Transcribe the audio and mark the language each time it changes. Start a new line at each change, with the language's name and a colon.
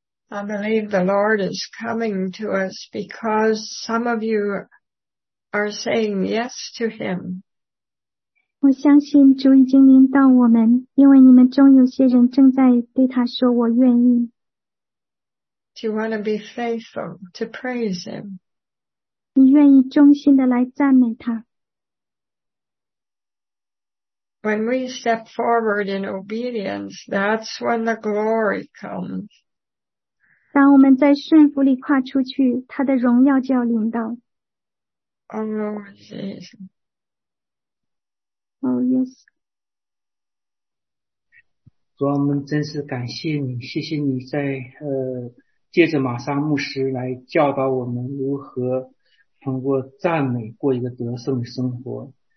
English: I believe the Lord is coming to us because some of you are saying yes to Him.
Chinese: 我相信主已经临到我们，因为你们中有些人正在对他说我愿意。
English: Do you want to be faithful to praise Him?
Chinese: 你愿意忠心地来赞美他。
English: When we step forward in obedience, that's when the glory comes.
Chinese: 当我们在顺服里跨出去，他的荣耀就要临到。
English: Oh, Jesus. Oh, yes.
Chinese: 主啊，我们真是感谢你，谢谢你在借着玛莎牧师来教导我们如何通过赞美过一个得胜的生活。